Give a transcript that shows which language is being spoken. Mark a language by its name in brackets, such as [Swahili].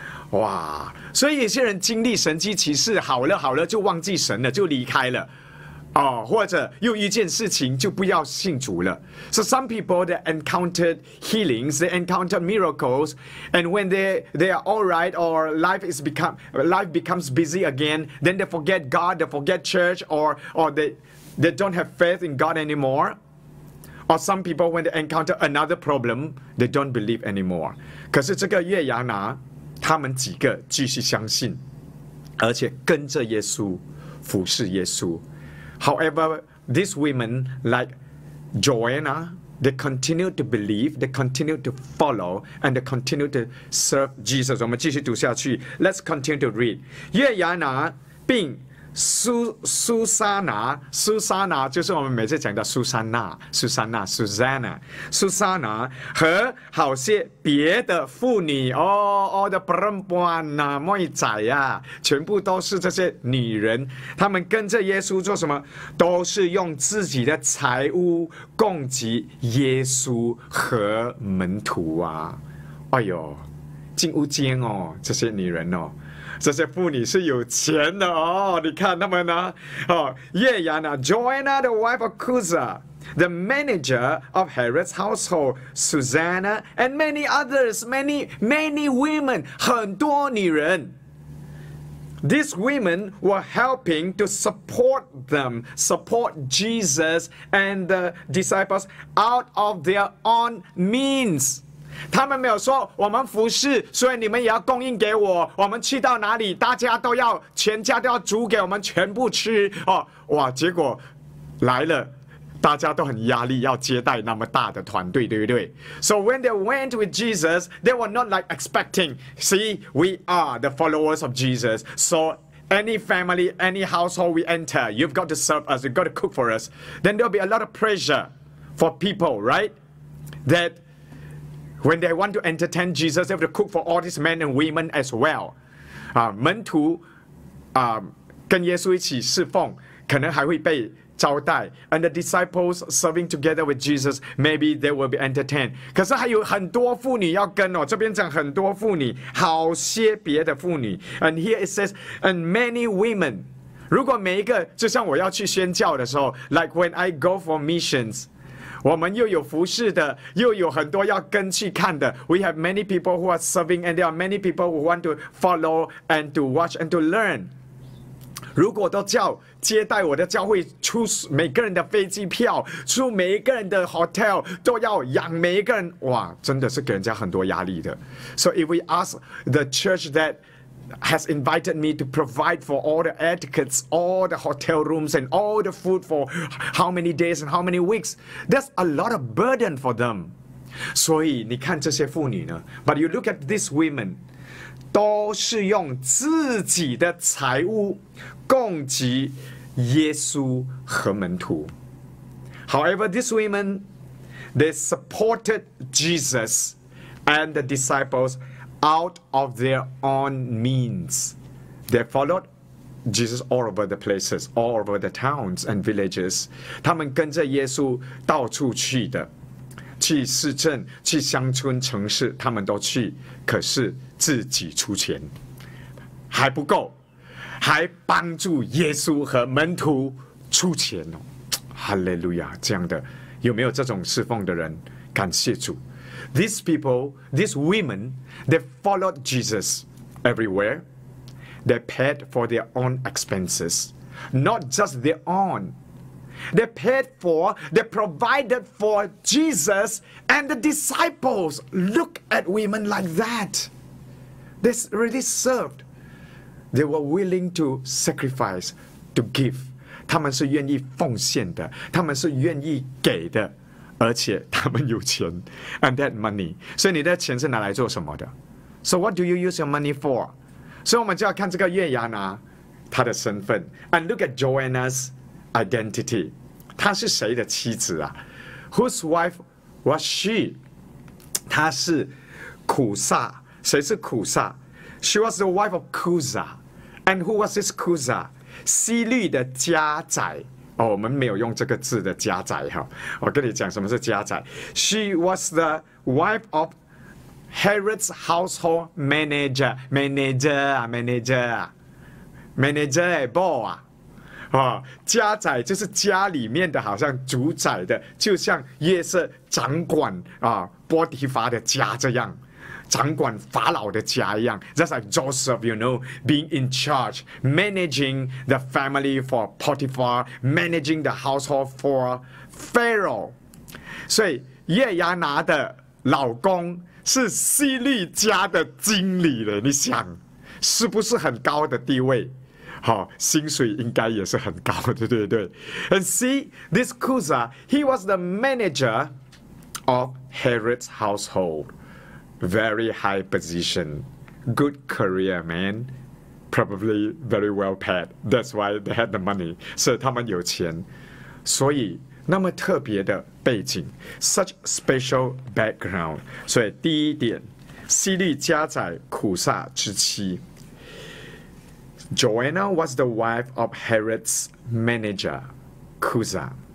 [Chinese] 哇，所以有些人经历神迹奇事，好了好了就忘记神了，就离开了，或者又一件事情就不要信主了。 [English] So some people that encountered healings, they encountered miracles, and when they are alright or life becomes busy again, then they forget God, they forget church, or they don't have faith in God anymore. Or some people when they encounter another problem, they don't believe anymore. [Chinese] 可是这个约雅拿他们几个继续相信，而且跟着耶稣，服侍耶稣。 [English] However, these women like Joanna, they continued to believe, they continued to follow, and they continued to serve Jesus. [Chinese] 我们继续读下去。 [English] Let's continue to read. [Chinese] 约雅拿并苏珊娜就是我们每次讲的苏珊娜和好些别的妇女的本本啊妹仔啊，全部都是这些女人，她们跟着耶稣做什么？都是用自己的财物供给耶稣和门徒啊。哎呦，进屋间哦，这些女人哦，这些妇女是有钱的哦，你看他们呢，耶雅拿 [English] Joanna, the wife of Cusa, the manager of Herod's household, Susanna, and many others, many, many women, [Chinese] 很多女人。 [English] These women were helping to support them, support Jesus and the disciples out of their own means. [Chinese] 他们没有说我们服侍，所以你们也要供应给我，我们去到哪里大家都要，全家都要煮给我们全部吃哦。哇，结果来了大家都很压力，要接待那么大的团队，对不对？ [English] So when they went with Jesus, they were not like expecting, see, we are the followers of Jesus, soAny family, any household we enter, you've got to serve us, you've got to cook for us. Then there'll be a lot of pressure for people, right? ThatWhen they want to entertain Jesus, they have to cook for all these men and women as well. [Chinese] 门徒跟耶稣一起侍奉，可能还会被招待。 [English] And the disciples serving together with Jesus, maybe they will be entertained. [Chinese] 可是还有很多妇女要跟哦，这边讲很多妇女，好些别的妇女。 [English] And here it says, and many women. [Chinese] 如果每一个，就像我要去宣教的时候， [English] like when I go for missions, [Chinese] 我们又有服侍的，又有很多要跟去看的。 [English] We have many people who are serving, and there are many people who want to follow and to watch and to learn. [Chinese] 如果都叫接待我的教会出每个人的飞机票，出每一个人的 hotel, 都要养每一个人，哇，真的是给人家很多压力的。 [English] So if we ask the church that has invited me to provide for all the etiquettes, all the hotel rooms, and all the food for how many days and how many weeks, that's a lot of burden for them. [Chinese] 所以你看这些妇女呢， [English] but you look at these women, [Chinese] 都是用自己的财物供给耶稣和门徒。 [English] However, these women, they supported Jesus and the disciples. Out of their own means. They followed Jesus all over the places, all over the towns and villages. [Chinese] 他们跟着耶稣到处去的，去市镇，去乡村城市，他们都去，可是自己出钱还不够，还帮助耶稣和门徒出钱哦。 Hallelujah, 这样的，有没有这种侍奉的人？感谢主。 [English] These people, these women, they followed Jesus everywhere. They paid for their own expenses. Not just their own. They paid for, they provided for Jesus and the disciples. Look at women like that. They really served. They were willing to sacrifice, to give. [Chinese] 他们是愿意奉献的，他们是愿意给的，而且他们有钱。 [English] And that money. [Chinese] 所以你的钱是拿来做什么的？ [English] So what do you use your money for? [Chinese] 所以我们就要看这个约亚拿他的身份。 [English] And look at Joanna's identity. [Chinese] 她是谁的妻子啊？ [English] Whose wife was she? [Chinese] 她是苦撒。谁是苦撒？ [English] She was the wife of Cusa. And who was this Cusa? [Chinese] 西律的家宰、哦、我们没有用这个字的家宰，我跟你讲什么是家宰。 [English] She was the wife of Herod's household manager. Manager, manager, manager, boy、 [Chinese] 哦、家宰就是家里面的，好像主宰的，就像约瑟掌管、哦、波提乏的家这样，掌管法老的家一样。 [English] That's like Joseph, you know, being in charge, managing the family for Potiphar, managing the household for Pharaoh. [Chinese] 所以约亚拿的老公是西律家的经理了，你想是不是很高的地位？好，薪水应该也是很高的，对不对？ [English] And see, this Cusa, he was the manager of Herod's household. Very high position, good career, man. Probably very well paid. That's why they had the money. [Chinese] 是他们有钱，所以那么特别的背景， [English] such special background. [Chinese] 所以第一点，西律家宰苦撒之妻。 [English] Joanna was the wife of Herod's manager, Cusa.